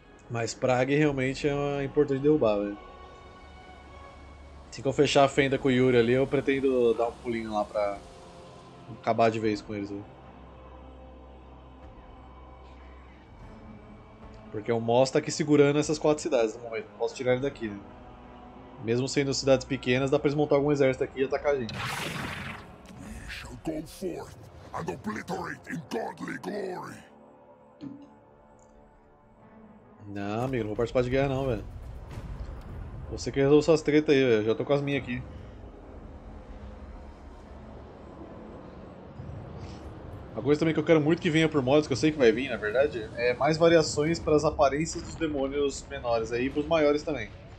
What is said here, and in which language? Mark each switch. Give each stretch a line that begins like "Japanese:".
Portuguese: Mas Prague realmente é importante derrubar, velho. Assim que eu fechar a fenda com o Yuri ali, eu pretendo dar um pulinho lá pra acabar de vez com eles, véio. Porque o Moss tá aqui segurando essas 4 cidades no momento. Não posso tirar ele daqui, né? Mesmo sendo cidades pequenas, dá pra eles montar algum exército aqui e atacar a gente.
English: Go forth and obliterate in godly glory.
Portuguese: Não, amigo, não vou participar de guerra não, velho. Você que resolveu suas tretas aí, velho. Já tô com as minhas aqui. Uma coisa também que eu quero muito que venha por mods, que eu sei que vai vir, na verdade, é mais variações para as aparências dos demônios menores aí e pros maiores também.